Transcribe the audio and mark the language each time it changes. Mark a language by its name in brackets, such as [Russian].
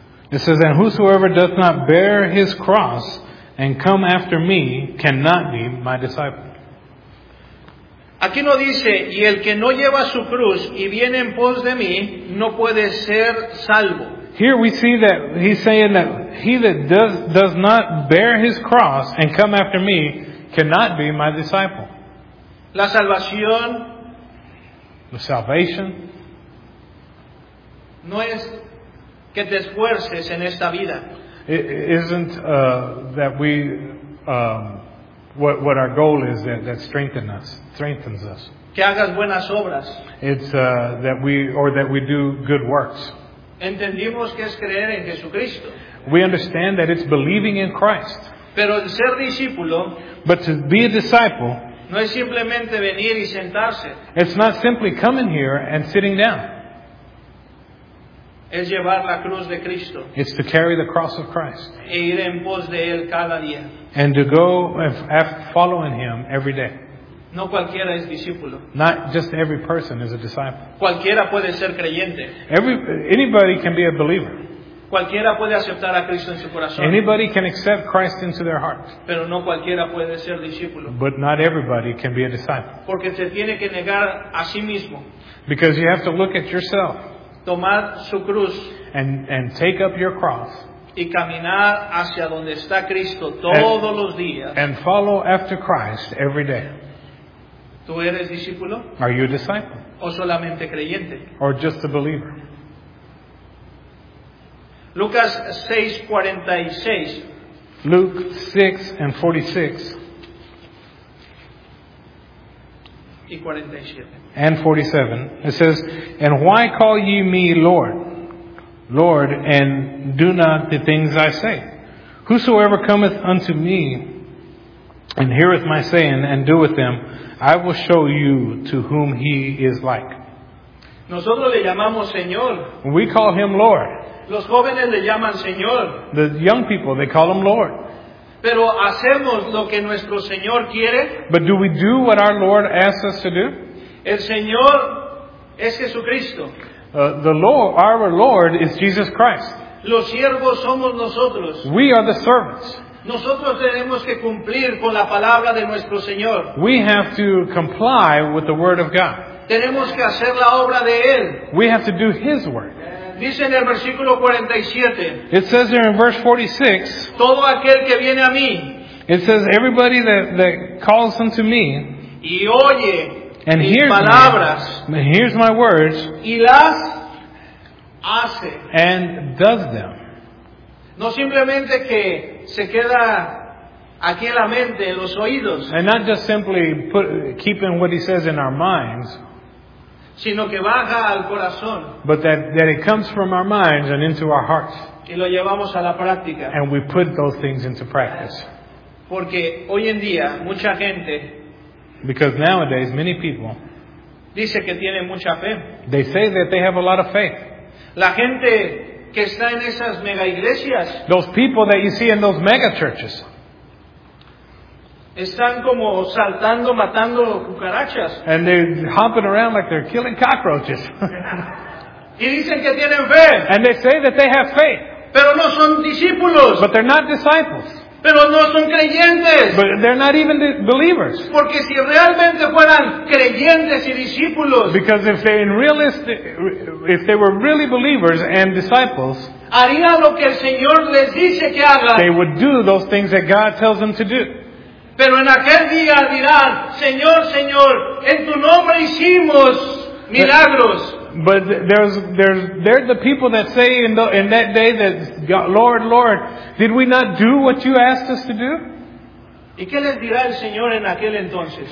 [English] It says, and whosoever doth not bear his cross and come after me cannot be my disciple. [Spanish] Aquí no dice, y el que no lleva su cruz y viene en pos de mí, no puede ser salvo. [English] Here we see that he's saying that he that does not bear his cross and come after me, cannot be my disciple. [Spanish] La salvación. [English] The salvation. [Spanish] No es que te esfuerces en esta vida. [English] It isn't that we what our goal is that strengthens us. [Spanish] Que hagas buenas obras. [English] It's that we do good works. [Spanish] Entendimos que es creer en Jesucristo. [English] We understand that it's believing in Christ. [Spanish] Pero el ser discípulo, [English] but to be a disciple, [Spanish] no es simplemente venir y sentarse. [English] It's not simply coming here and sitting down. [Spanish] Es llevar la cruz de Cristo. [English] It's to carry the cross of Christ. [Spanish] E ir en pos de él cada día. [English] And to go following him every day. [Spanish] No cualquiera es discípulo. [English] Not just every person is a disciple. [Spanish] Cualquiera puede ser creyente. [English] Anybody can be a believer. [Spanish] Cualquiera puede aceptar a Cristo en su corazón. [English] Anybody can accept Christ into their heart. [Spanish] Pero no cualquiera puede ser discípulo. [English] But not everybody can be a disciple. [Spanish] Porque se tiene que negar a sí mismo. [English] Because you have to look at yourself. [Spanish] Tomar su cruz. [English] And take up your cross. [Spanish] Y caminar hacia donde está Cristo todos los días. [English] And follow after Christ every day. [Spanish] ¿Tú eres discípulo? [English] Are you a disciple? [Spanish] ¿O solamente creyente? [English] Or just a believer? [Spanish] Lucas 6:46. [English] Luke 6:46. And 47. It says, "And why call ye me Lord, Lord, and do not the things I say? Whosoever cometh unto me and heareth my saying and doeth them, I will show you to whom he is like." [Spanish] Nosotros le llamamos Señor. [English] We call him Lord. [Spanish] Los jóvenes le llaman Señor. [English] The young people, they call him Lord. [Spanish] Pero hacemos lo que nuestro Señor quiere. [English] But do we do what our Lord asks us to do? [Spanish] El Señor es Jesucristo. [English] The Lord, our Lord is Jesus Christ. [Spanish] Los siervos somos nosotros. [English] We are the servants. [Spanish] Nosotros tenemos que cumplir con la palabra de nuestro Señor. [English] We have to comply with the word of God. [Spanish] Tenemos que hacer la obra de Él. [English] We have to do His work. [Spanish] Dice en el versículo 47. [English] It says there in verse 46. [Spanish] Todo aquel que viene a mí. [English] It says everybody that calls unto me. [Spanish] Y oye. [English] And [Spanish] mis [English] hears [Spanish] palabras. [English] Me, hears my words. [Spanish] Y las hace. [English] And does them. [Spanish] No simplemente que se queda aquí en la mente, en los oídos. [English] And not just simply keeping what he says in our minds. [Spanish] Sino que baja al corazón. [English] But that it comes from our minds and into our hearts. [Spanish] Y lo llevamos a la práctica. [English] And we put those things into practice. [Spanish] Porque hoy en día, mucha gente, [English] because nowadays, many people, [Spanish] dice que tiene mucha fe. [English] They say that they have a lot of faith. [Spanish] La gente que está en esas mega iglesias, [English] those people that you see in those mega churches, [Spanish] están como saltando, matando cucarachas. [English] And they're hopping around like they're killing cockroaches. [Spanish] Y dicen que tienen fe. [English] And they say that they have faith. [Spanish] Pero no son discípulos. [English] But they're not disciples. [Spanish] Pero no son creyentes. [English] But they're not even believers. [Spanish] Porque si realmente fueran creyentes y discípulos, [English] because if they were really believers and disciples, [Spanish] haría lo que el Señor les dice que hagan. [English] They would do those things that God tells them to do. [Spanish] Pero en aquel día dirán, Señor, Señor, en tu nombre hicimos milagros. [English] But there's the people that say in that day that God, Lord, Lord, did we not do what you asked us to do? [Spanish] ¿Y qué les dirá el Señor en aquel entonces?